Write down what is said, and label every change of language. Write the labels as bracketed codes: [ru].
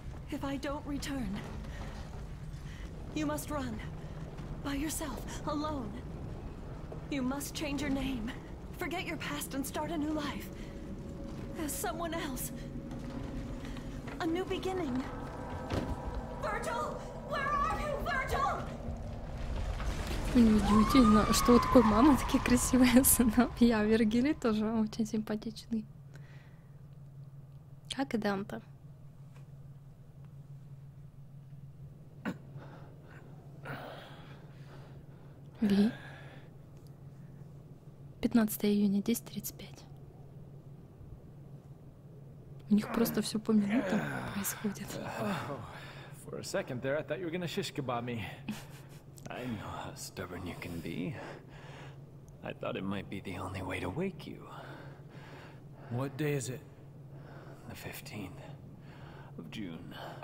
[en] If I don't return, you must run by yourself, alone. You must change your name, forget your past, and start a new life as someone else. A new beginning. Virgil, where are you, Virgil? [ru] Неудивительно, что у такой мамы такие красивые сыновья. Вергилий тоже очень симпатичный. Как и Данте. Ви. 15 июня, 10:35. У них просто все по минутам происходит. [en] For a second there, I thought you were gonna shish kebab me. I know how stubborn you can be. I thought it might be the only way to wake you. What day is it? The 15th of June.